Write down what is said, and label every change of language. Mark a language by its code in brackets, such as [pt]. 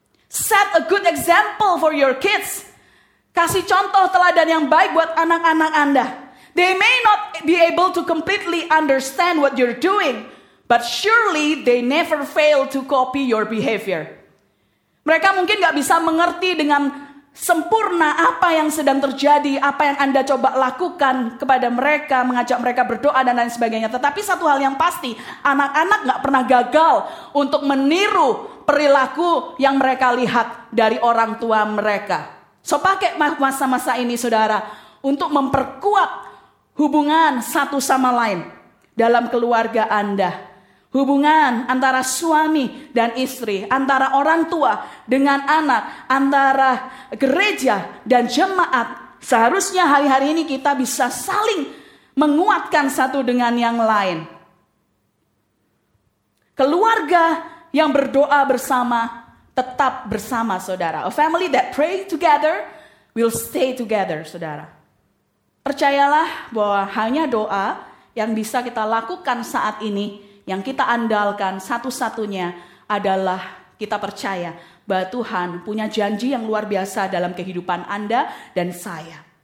[en] Set a good example for your kids. [id] Kasih contoh teladan yang baik buat anak-anak Anda. [en] They may not be able to completely understand what you're doing, but surely they never fail to copy your behavior. [id] Mereka mungkin gak bisa mengerti dengan sempurna apa yang sedang terjadi, apa yang Anda coba lakukan kepada mereka, mengajak mereka berdoa dan lain sebagainya. Tetapi satu hal yang pasti, anak-anak gak pernah gagal untuk meniru perilaku yang mereka lihat dari orang tua mereka. So pakai masa-masa ini saudara, untuk memperkuat hubungan satu sama lain dalam keluarga Anda. Hubungan antara suami dan istri, antara orang tua dengan anak, antara gereja dan jemaat. Seharusnya hari-hari ini kita bisa saling menguatkan satu dengan yang lain. Keluarga yang berdoa bersama, tetap bersama saudara. [en] A family that pray together will stay together [id] saudara. Percayalah bahwa hanya doa yang bisa kita lakukan saat ini, yang kita andalkan satu-satunya adalah kita percaya bahwa Tuhan punya janji yang luar biasa dalam kehidupan Anda dan saya.